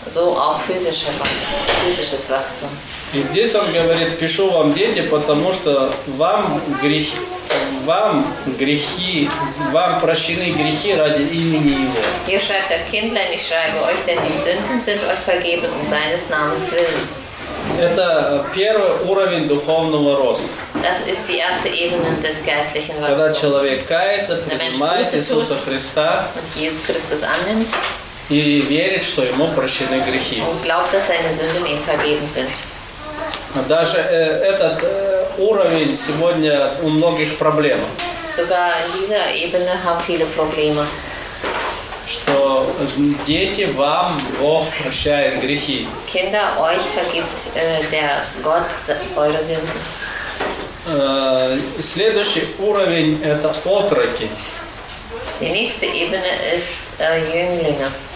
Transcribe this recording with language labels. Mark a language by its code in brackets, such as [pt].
[de] So auch physisches Wachstum. [ru] И здесь он говорит, пишу вам, дети, потому что вам прощены грехи ради имени Его. [de] Hier schreibt der Kindlein, ich schreibe euch, denn die Sünden sind euch vergeben um seines Namens willen. [ru] Это первый уровень духовного роста. [de] Das ist die erste Ebene des geistlichen Wachstums. [ru] Когда человек кается, принимает Иисуса Христа, [de] Jesus Christus annimmt, [ru] и верит, что ему прощены грехи. [de] Und glaubt, dass seine Sünden ihm vergeben sind. [ru] Даже этот уровень сегодня у многих проблем. [de] Sogar diese Ebene haben viele Probleme. [ru] Что дети, вам Бог прощает грехи. [de] Kinder, euch vergibt der Gott eure Sünden. [ru] Следующий уровень – это отроки. [de] Die nächste Ebene ist Jünglinge.